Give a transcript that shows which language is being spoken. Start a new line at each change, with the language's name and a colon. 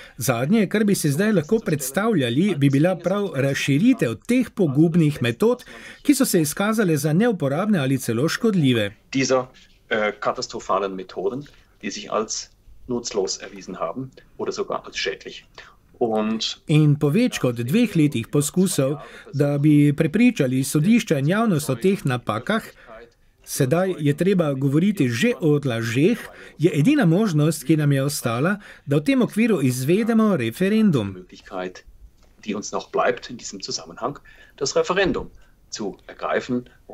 Slovenian: Zadnje, kar bi si zdaj lahko predstavljali, bi bila prav razširitev teh pogubnih metod, ki so se izkazale za neuporabne ali celo škodljive.
German: Dieser katastrofalen Methoden, die sich als nutzlos erwiesen haben oder sogar als schädlich.
Slovenian: In po več kot dveh letih poskusov, da bi prepričali sodišča in javnost o teh napakah, sedaj je treba govoriti že o lažeh, je edina možnost, ki nam je ostala, da v tem okviru izvedemo referendum.
German: Die uns noch bleibt in diesem Zusammenhang, das Referendum zu ergreifen.